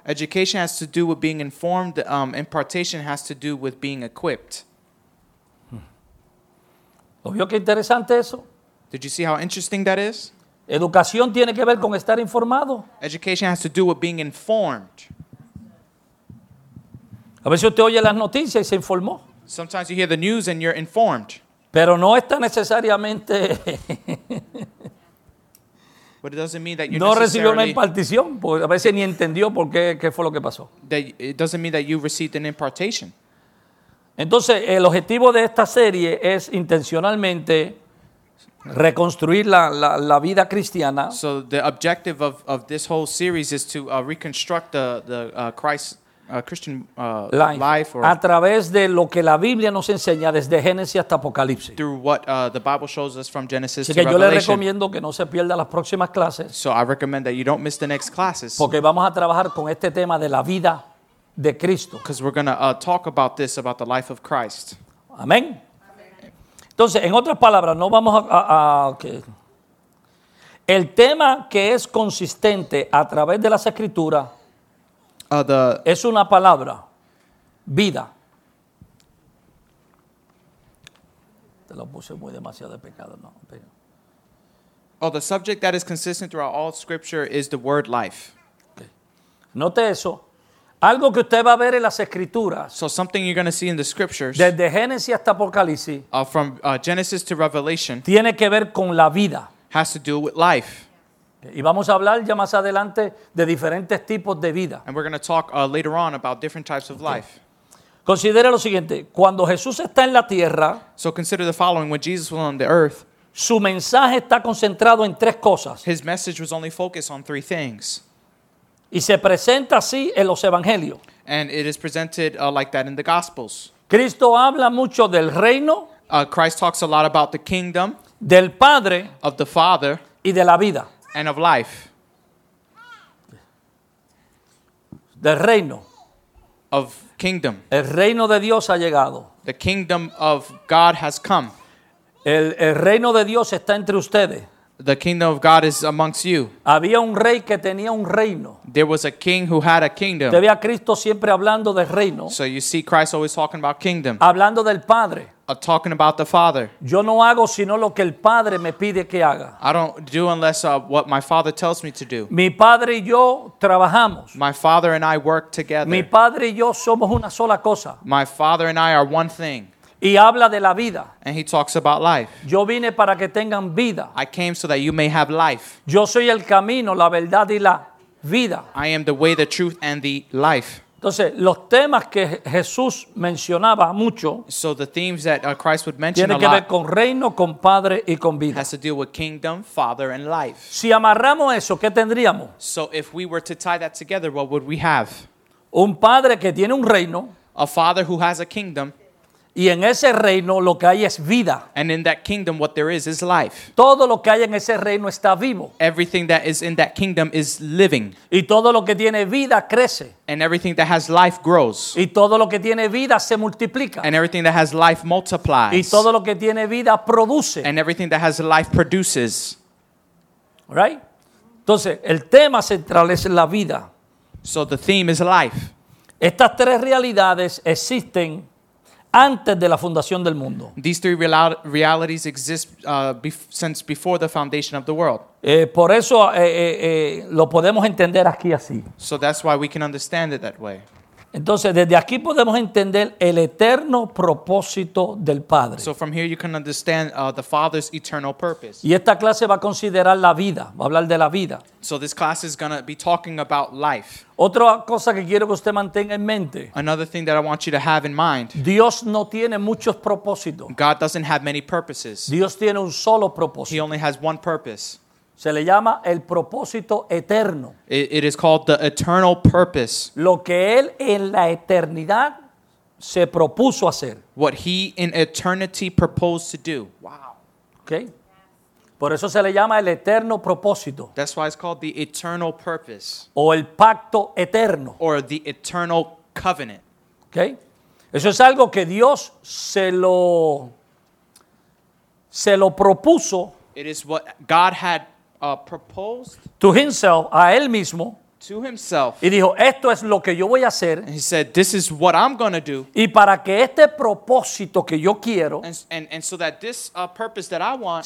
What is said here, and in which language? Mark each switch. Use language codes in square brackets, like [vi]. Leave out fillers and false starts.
[en] Education has to do with being informed. Impartation has to do with being equipped. [es] ¿Lo vio qué interesante eso? [en] Did you see how interesting that is? [es] Educación tiene que ver con estar informado. [en] Education has to do with being informed. [es] A veces usted oye las noticias y se informó. [en] Sometimes you hear the news and you're informed. [es] Pero no está necesariamente. [en] But it doesn't mean that [es] no recibió una impartición, porque a veces ni entendió por qué fue lo que pasó. [en] That it doesn't mean that you received an impartation. [es] Entonces, el objetivo de esta serie es intencionalmente reconstruir la vida cristiana. [en] So the objective of this whole series is to reconstruct the Christian life. Life [es] or a través de lo que la Biblia nos enseña desde Génesis hasta Apocalipsis. [en] Through what the Bible shows us from Genesis [es] así [en] to [es] que [en] Revelation. [es] Yo le recomiendo que no se pierda las próximas clases. [en] So I recommend that you don't miss the next classes. [es] Porque vamos a trabajar con este tema de la vida de Cristo. [en] Because we're going to talk about this, about the life of Christ. [es] Amén. Entonces, en otras palabras, no vamos a okay. El tema que es consistente a través de las Escrituras es una palabra, vida. Te lo puse muy demasiado de pecado, no. [en] Oh, the subject that is consistent throughout all Scripture is the word life. Okay. [es] Note eso. Algo que usted va a ver en las Escrituras. [en] So something you're going to see in the Scriptures. [es] Desde Génesis hasta Apocalipsis. [en] Genesis to Revelation. [es] Tiene que ver con la vida. [en] Has to do with life. [es] Y vamos a hablar ya más adelante de diferentes tipos de vida. [en] And we're going to talk later on about different types of life. [es] Considere lo siguiente. Cuando Jesús está en la tierra. [en] So consider the following. When Jesus was on the earth. [es] Su mensaje está concentrado en tres cosas. [en] His message was only focused on three things. [es] Y se presenta así en los evangelios. [en] And it is presented like that in the gospels. [es] Cristo habla mucho del reino. [en] Christ talks a lot about the kingdom. [es] Del Padre. [en] Of the Father. [es] Y de la vida. [en] And of life. [es] Del reino. [en] Of kingdom. [es] El reino de Dios ha llegado. [en] The kingdom of God has come. [es] El reino de Dios está entre ustedes. [en] The kingdom of God is amongst you. [es] Había un rey que tenía un reino. [en] There was a king who had a kingdom. [es] Usted ve a Cristo siempre hablando del reino. [en] So you see Christ always talking about kingdom. [es] Hablando del Padre. [en] Talking about the Father. [es] Yo no hago sino lo que el Padre me pide que haga. [en] I don't do unless what my Father tells me to do. [es] Mi Padre y yo trabajamos. [en] My Father and I work together. [es] Mi Padre y yo somos una sola cosa. [en] My Father and I are one thing. [es] Y habla de la vida. [en] And he talks about life. [es] Yo vine para que tengan vida. [en] I came so that you may have life. [es] Yo soy el camino, la verdad y la vida. [en] I am the way, the truth, and the life. [es] Entonces, los temas que Jesús mencionaba mucho. [en] So the themes that Christ would mention a lot. [es] Tiene que ver con reino, con padre y con vida. [en] Has to deal with kingdom, father, and life. [es] Si amarramos eso, ¿qué tendríamos? [en] So if we were to tie that together, what would we have? [es] Un padre que tiene un reino. [en] A father who has a kingdom. [es] Y en ese reino lo que hay es vida. [en] And in that kingdom what there is life. [es] Todo lo que hay en ese reino está vivo. [en] Everything that is in that kingdom is living. [es] Y todo lo que tiene vida crece. [en] And everything that has life grows. [es] Y todo lo que tiene vida se multiplica. [en] And everything that has life multiplies. [es] Y todo lo que tiene vida produce. [en] And everything that has life produces. Right? [es] Entonces, el tema central es la vida. [en] So the theme is life. [es] Estas tres realidades existen antes de la fundación del mundo. [en] These three realities exist since before the foundation of the world. [es] Por eso lo podemos entender aquí así. [en] So that's why we can understand it that way. [es] Entonces, desde aquí podemos entender el eterno propósito del Padre. [en] So from here you can understand the Father's eternal purpose. [es] Y esta clase va a considerar la vida, va a hablar de la vida. [en] So this class is going to be talking about life. [es] Otra cosa que quiero que usted mantenga en mente. [en] Another thing that I want you to have in mind. [es] Dios no tiene muchos propósitos. [en] God doesn't have many purposes. [es] Dios tiene un solo propósito. [en] He only has one purpose. [es] Se le llama el propósito eterno. [en] It is called the eternal purpose. [es] Lo que él en la eternidad se propuso hacer. [en] What he in eternity proposed to do. Wow. Okay. [es] Por eso se le llama el eterno propósito. [en] That's why it's called the eternal purpose. [es] O el pacto eterno. [en] Or the eternal covenant. [es] Okay. Eso es algo que Dios se lo se lo propuso. [en] It is what God had proposed to himself, [es] a él mismo. [en] To himself. [es] Y dijo, esto es lo que yo voy a hacer. [en] And he said, this is what I'm going to do. [es] Y para que este propósito que yo quiero, [en] and so that this purpose that I want